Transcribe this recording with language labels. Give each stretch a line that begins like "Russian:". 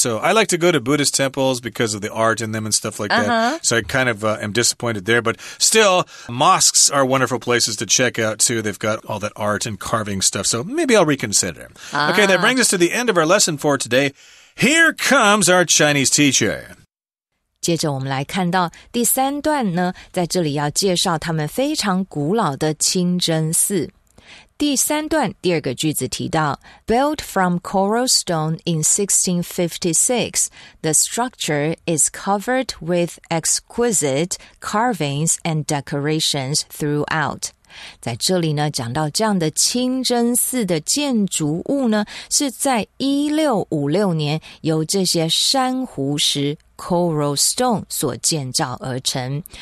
English: So I like to go to Buddhist temples because of the art in them and stuff like that. So I kind of am disappointed there. But still, mosques are wonderful places to check out, too. They've got all that art and carving stuff. So maybe I'll reconsider. Okay, that brings us to the end of our lesson for today. Here comes our Chinese teacher.
Chinese: 接着我们来看到第三段呢，在这里要介绍他们非常古老的清真寺。第三段第二个句子提到
English: Built from coral stone in 1656, the structure is covered with exquisite carvings and decorations throughout.
Chinese: 在这里呢，讲到这样的清真寺的建筑物呢，是在1656年由这些珊瑚石 coral stone 所建造而成。